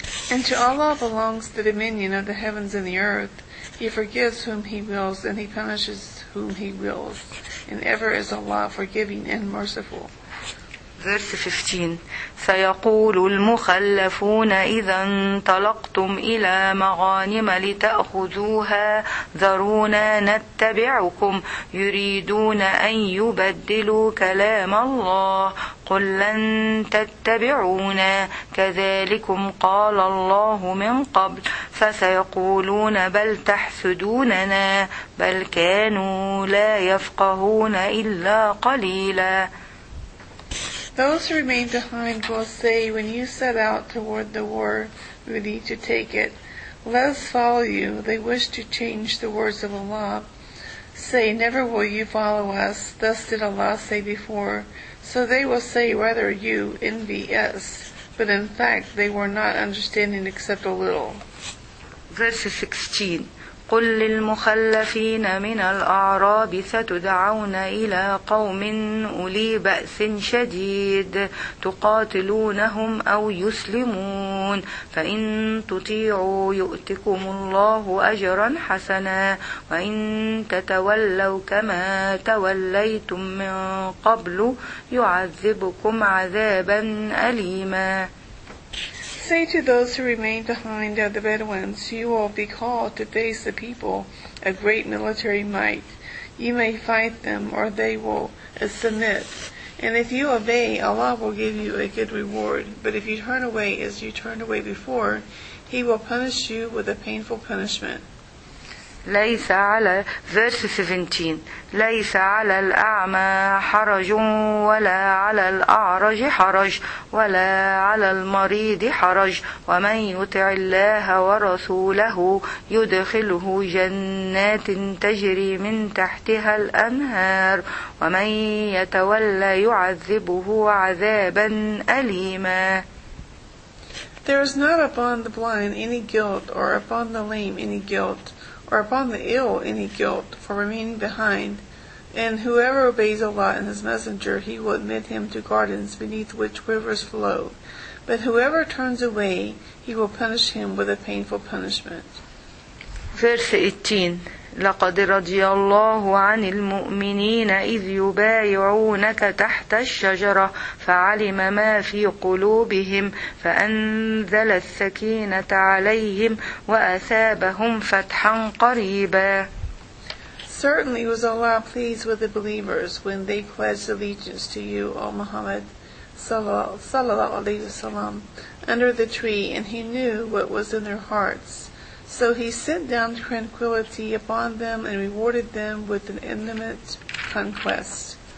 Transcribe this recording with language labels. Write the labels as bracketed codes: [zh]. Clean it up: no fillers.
[en] And to Allah belongs the dominion of the heavens and the earth. He forgives whom He wills and He punishes whom he wills, and ever is Allah forgiving and merciful. Verse 15. [ar] سيقول المخلفون إذا انطلقتم إلى مغانم لتأخذوها ذرونا نتبعكم يريدون أن يبدلوا كلام الله قل لن تتبعونا كذلكم قال الله من قبل فسيقولون بل تحسدوننا بل كانوا لا يفقهون إلا قليلا. [en] Those who remain behind will say, when you set out toward the war, we need to take it. Let us follow you. They wish to change the words of Allah. Say, never will you follow us. Thus did Allah say before. So they will say, rather you envy us. But in fact, they were not understanding except a little. Verse 16. [ar] قل للمخلفين من الأعراب ستدعون إلى قوم أولي بأس شديد تقاتلونهم أو يسلمون فإن تطيعوا يؤتكم الله أجرا حسنا وإن تتولوا كما توليتم من قبل يعذبكم عذابا أليما. [en] Say to those who remain behind are the Bedouins, you will be called to face the people, a great military might. You may fight them, or they will submit. And if you obey, Allah will give you a good reward. But if you turn away as you turned away before, He will punish you with a painful punishment. [ar] ليس على [en] verse 17 [ar] ليس على الأعمى حرج ولا على الأعرج حرج ولا على المريض حرج ومن يطع الله ورسوله يدخله جنات تجري من تحتها الأنهار ومن يتولى يعذبه عذابا أليما. [en] There is not upon the blind any guilt or upon the lame any guilt or upon the ill any guilt for remaining behind. And whoever obeys Allah and His Messenger, He will admit him to gardens beneath which rivers flow. But whoever turns away, He will punish him with a painful punishment. Verse 18. [ar] لقد رضي الله عن المؤمنين إذ يبايعونك تحت الشجرة فعلم ما في قلوبهم فأنزل السكينة عليهم وأثابهم فتحا قريبا. [en] Certainly was Allah pleased with the believers when they pledged allegiance to you, O Muhammad, [ar] sallallahu alayhi wa sallam, [en] under the tree, and He knew what was in their hearts. So He sent down tranquility upon them and rewarded them with an intimate conquest.